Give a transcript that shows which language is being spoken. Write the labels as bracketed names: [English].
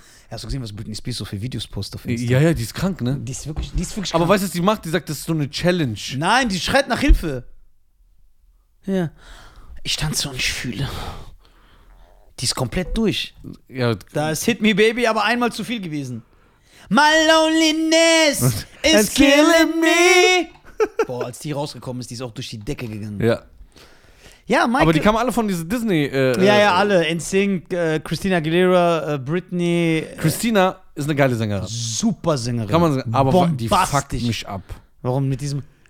[German] Hast du gesehen, was Britney Spears so für Videos postet auf Instagram? Ja, ja, die ist krank, ne? Die ist wirklich krank. Aber weißt du, was die macht? Die sagt, das ist so eine Challenge. Nein, die schreit nach Hilfe. Ja. Ich tanze und ich fühle. Die ist komplett durch. Ja. Da ist Hit Me Baby aber einmal zu viel gewesen. [English] My loneliness is killing me. [German] Boah, als die rausgekommen ist, die ist auch durch die Decke gegangen. Ja. Ja, Michael. Aber die kamen alle von dieser Disney. Ja, alle. NSYNC, Christina Aguilera, Britney. Christina ist eine geile Sängerin. Super Sängerin. Kann man sagen, aber die fuckt mich ab. Warum mit diesem.